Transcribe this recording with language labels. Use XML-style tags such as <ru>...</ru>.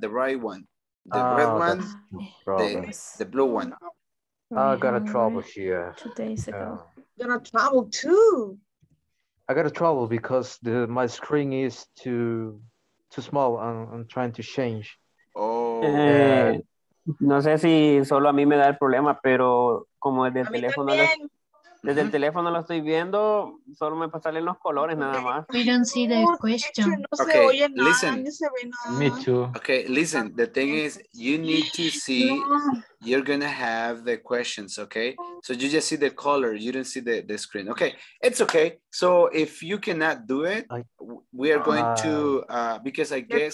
<en>The red one, the blue one. I got a trouble here. 2 days ago. Got a trouble too. I got a trouble because my screen is too small. I'm trying to change. Oh.</en> <es>No sé si solo a mí me da el problema, pero como desde el teléfono lo estoy viendo, solo me pasan los colores nada más.</es> <en>We don't see the question. Okay, listen. Me too. Okay, listen. The thing is, you need to see, you're going to have the questions, okay? So you just see the color. You don't see the screen. Okay, it's okay. So if you cannot do it, we are going to, because I guess.</en>